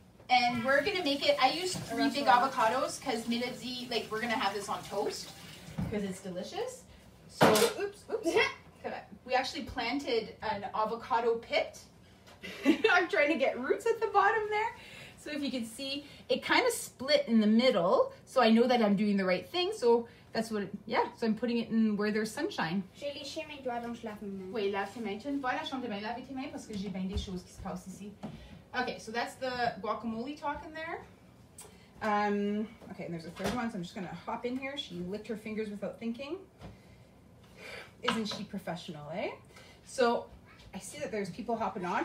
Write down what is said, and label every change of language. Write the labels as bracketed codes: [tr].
[en] And we're going to make it, I used three big avocados because Minazi, like, we're going to have this on toast because it's delicious. So, oops. We actually planted an avocado pit. I'm trying to get roots at the bottom there. So if you can see, it kind of split in the middle. So I know that I'm doing the right thing. So that's what, so I'm putting it in where there's sunshine. [fr] J'ai liché mes doigts, donc je lave mes mains. Oui, lave tes mains. Tu ne vas pas la chambre de bain, lave tes mains parce que j'ai bien des choses qui se passent ici. [en] Okay, so that's the guacamole talk in there. Okay, and there's a third one, so I'm just gonna hop in here. She licked her fingers without thinking. Isn't she professional, eh? So I see that there's people hopping on.